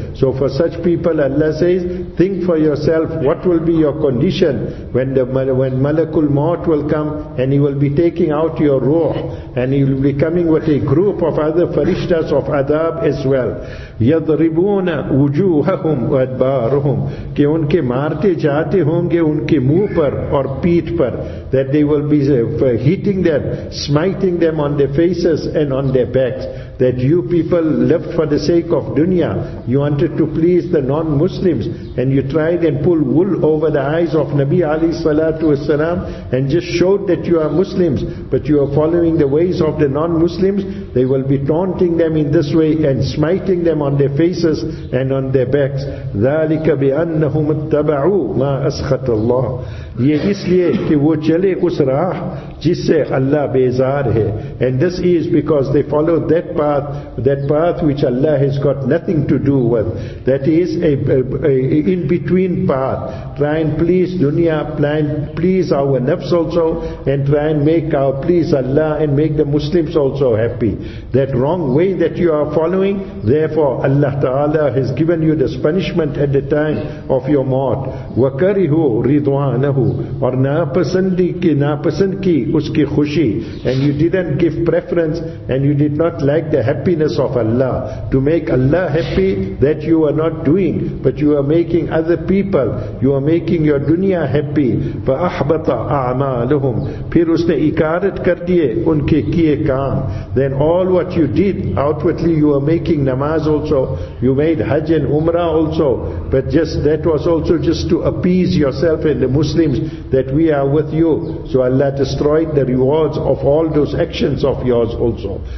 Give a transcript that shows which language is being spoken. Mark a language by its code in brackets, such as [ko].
[en] So for such people Allah says, think for yourself, what will be your condition when Malakul Maut will come and he will be taking out your ruh and he will be coming with a group of other farishtas of adab as well. [ar] يَضْرِبُونَ وُجُوهَهُمْ وَأَدْبَارُهُمْ. [ur] کہ ان کے مارتے جاتے ہوں گے ان کے موہ پر اور پیٹ پر. [en] That they will be hitting them, smiting them on their faces and on their backs. That you people lived for the sake of dunya. You wanted to please the non-Muslims and you tried and pull wool over the eyes of Nabi Ali Salatu Wasalam and just showed that you are Muslims, but you are following the ways of the non-Muslims. They will be taunting them in this way and smiting them on their faces and on their backs. [ar] ذَلِكَ بِأَنَّهُمْ اتَّبَعُوا مَا أَسْخَطَ اللَّهِ. [ur] یہ اس لیے کہ وہ چلے اس راہ جس سے اللہ بیزار ہے. [en] And this is because they followed that path which Allah has got nothing to do with. That is a in-between path. Try and please dunya, try and please our nafs also, and try and make our please Allah and make the Muslims also happy. That wrong way that you are following, therefore Allah Ta'ala has given you this punishment at the time of your mort. [ar] وَكَرِهُ رِضْوَانَهُ [ur] اور ناپسند کی اس کی خوشی. [en] And you didn't give preference and you did not like the happiness of Allah. To make Allah happy, that you are not doing, but you are making other people, you are making your dunya happy. [ar] فَأَحْبَطَ أَعْمَالُهُمْ. [ur] پھر اس نے اکارت کر دیئے ان کے کیے کام. [en] Then all what you did, outwardly you were making namaz also, you made hajj and umrah also, but just that was also just to appease yourself and the Muslims. claims that we are with you. So Allah destroyed the rewards of all those actions of yours also.